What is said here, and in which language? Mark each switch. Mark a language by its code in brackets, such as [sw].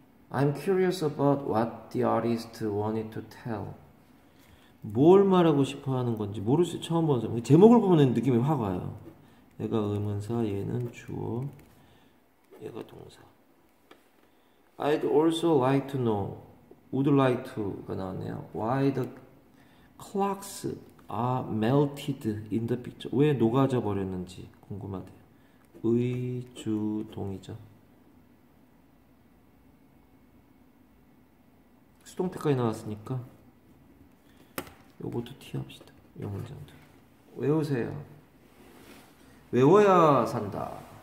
[en] 'I'm curious about what the artist wanted to tell.' [ko] 뭘 말하고 싶어 하는 건지 모르시 처음 본 사람. 제목을 보면 느낌이 확 와요. 얘가 의문사, 얘는 주어, 얘가 동사. [en] 'I'd also like to know, would like to'가 [ko] 나왔네요. [en] 'Why the Clocks are melted in the picture. [ko] 왜 녹아져 버렸는지 궁금하대요. 의, 주, 동이죠. 수동태까지 나왔으니까 요것도 티합시다. 요 문장도. 외우세요. 외워야 산다.